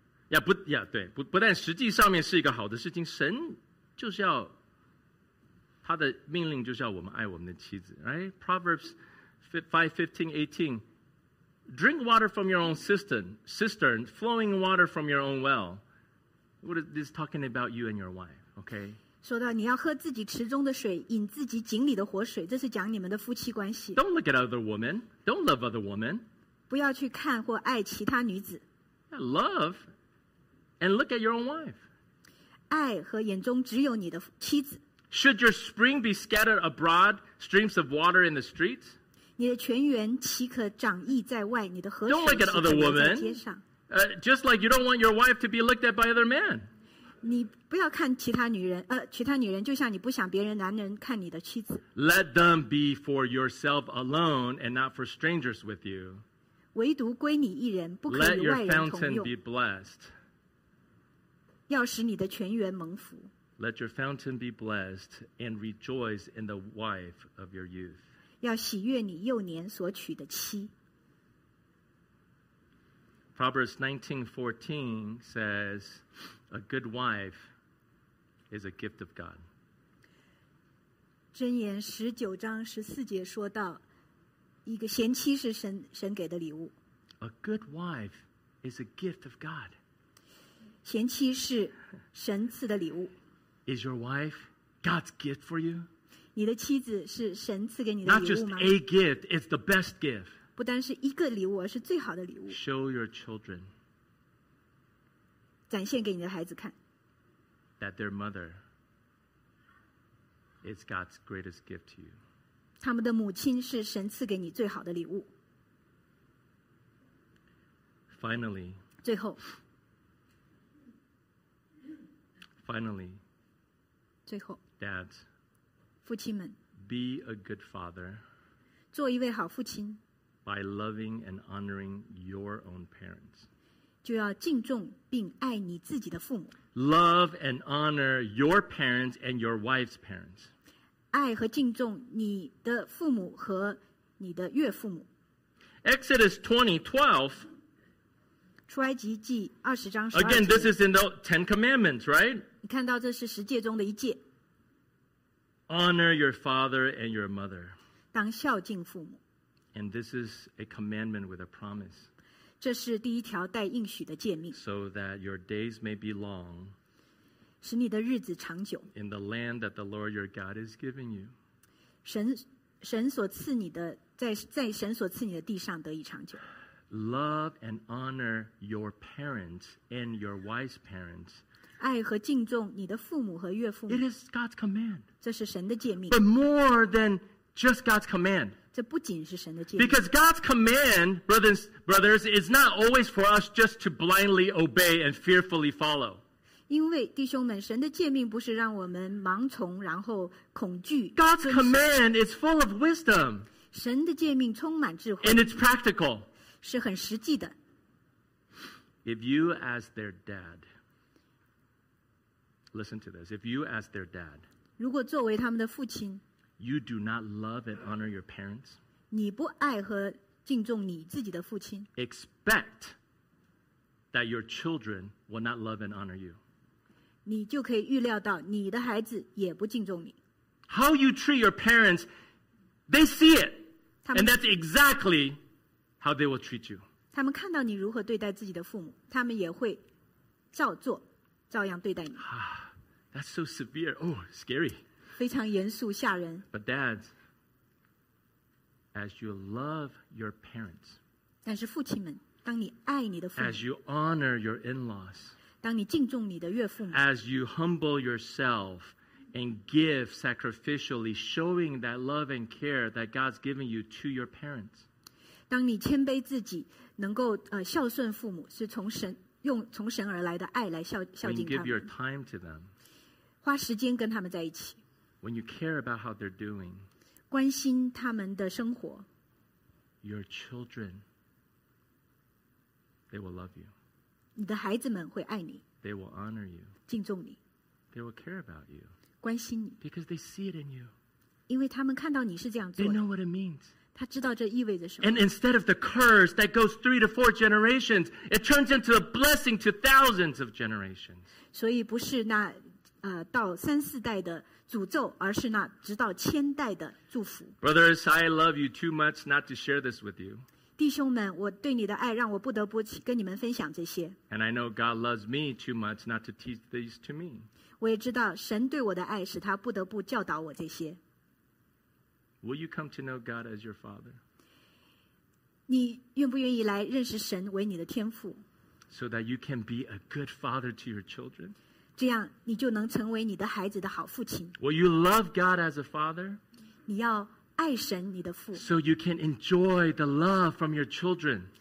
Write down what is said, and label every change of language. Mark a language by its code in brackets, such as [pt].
[zh] Yeah, 不, yeah, 对, 不但实际上面是一个好的事情，神就是要他的命令就是要我们爱我们的妻子 right? [en] Proverbs 5:15-18 Drink water from your own cistern flowing water from your own well. What is this talking about you and your wife? Okay? [zh] 说到你要喝自己池中的水饮自己井里的活水，这是讲你们的夫妻关系。 [en] Don't look at other women. Don't love other women. [zh] 不要去看或爱其他女子。 [en] Yeah, Love and look at your own wife. [zh] 爱和眼中只有你的妻子。 [en] Should your spring be scattered abroad, streams of water in the streets? [zh] 你的泉源岂可长溢在外？你的河水岂可流在街上？ [en] Don't look at Just like you don't want your wife to be looked at by other men. [zh] 你不要看其他女人，其他女人就像你不想别人男人看你的妻子。 [en] Let them be for yourself alone and not for strangers with you. [zh] 唯独归你一人，不可与外人同用。 [en] Let your fountain be blessed. [zh] 要使你的泉源蒙福。 [en] Let your fountain be blessed and rejoice in the wife of your youth. [zh] 要喜悦你幼年所娶的妻。 [en] Proverbs 19:14 says, "A good wife is a gift of God." [zh] 箴言十九章十四节说到，一个贤妻是神给的礼物。 [en] A good wife is a gift of God. [zh] 贤妻是神赐的礼物。 [en] Is your wife God's gift for you? [zh] 你的妻子是神赐给你的礼物吗 [en] ？Not just a gift; it's the best gift. [zh] 不单是一个礼物，而是最好的礼物。 [en] Show your children. [zh] 展现给你的孩子看。 [en] That their mother is God's greatest gift to you. [zh] 他们的母亲是神赐给你最好的礼物。 [en] Finally. [zh] 最后。 [en] Finally. [zh] 最后。 [en] Dad. [zh] 父亲们。 [en] Be a good father. [zh] 做一位好父亲。 [en] By loving and honoring your own parents. [zh] 就要敬重并爱你自己的父母。 [en] Love and honor your parents and your wife's parents. [zh] 爱和敬重你的父母和你的岳父母。 [en] Exodus 20:12. [zh] 出埃及记二十章十二节。 [en] Again, this is in the Ten Commandments, right? [zh] 你看到这是十诫中的一诫。 [en] Honor your father and your mother. [zh] 当孝敬父母。 [en] And this is a commandment with a promise. [zh] 这是第一条带应许的诫命。 [en] So that your days may be long. [zh] 使你的日子长久。 [en] In the land that the Lord your God is giving you. [zh] 神所赐你的在神所赐你的地上得以长久。 [en] Love and honor your parents and your wise parents. [zh] 爱和敬重你的父母和岳父母。 [en] It is God's command. [zh] 这是神的诫命。 [en] But more than just God's command. [zh] 这不仅是神的诫命。 [en] Because God's command, brothers, is not always for us just to blindly obey and fearfully follow. [zh] 因为弟兄们，神的诫命不是让我们盲从然后恐惧。 [en] God's command is full of wisdom. [zh] 神的诫命充满智慧。 [en] And it's practical. [zh] 是很实际的。 [en] If you as their dad, listen to this. If you as their dad, [zh] 如果作为他们的父亲。 [en] You do not love and honor your parents. [zh] 你不爱和敬重你自己的父亲。 [en] Expect that your children will not love and honor you. [zh] 你就可以预料到你的孩子也不敬重你。 [en] How you treat your parents, they see it. And that's exactly how they will treat you. [zh] 他们看到你如何对待自己的父母，他们也会照做，照样对待你。 [en] That's so severe. Oh, scary. [zh] 非常严肃吓人。 [en] But dads, as you love your parents, [zh] 但是父亲们，当你爱你的父母， [en] as you honor your in-laws, [zh] 当你敬重你的岳父母， [en] as you humble yourself and give sacrificially, showing that love and care that God's given you to your parents, [zh] 当你谦卑自己，能够孝顺父母，是从神用从神而来的爱来孝敬他们。 [en] And give your time to them, [zh] 花时间跟他们在一起。 [en] When you care about how they're doing, [zh] 关心他们的生活 [en] your children, they will love you. [zh] 你的孩子们会爱你 [en] they will honor you. [zh] 敬重你 [en] they will care about you. [zh] 关心你 [en] because they see it in you. [zh] 因为他们看到你是这样做的 [en] they know what it means. [zh] 他知道这意味着什么 [en] and instead of the curse that goes 3 to 4 generations, it turns into a blessing to thousands of generations. [zh] 所以不是那到三四代的诅咒，而是那直到千代的祝福。 [en] Brothers, I love you too much not to share this with you. [zh] 弟兄们，我对你的爱让我不得不跟你们分享这些。 [en] And I know God loves me too much not to teach these to me. [zh] 我也知道神对我的爱使他不得不教导我这些。 [en] Will you come to know God as your father? [zh] 你愿不愿意来认识神为你的天父 [en] ？So that you can be a good father to your children. [zh] 这样你就能成为你的孩子的好父亲。 [en] Will you love God as a father? [zh] 你要爱神你的父。 [en] So you can enjoy the love from your children.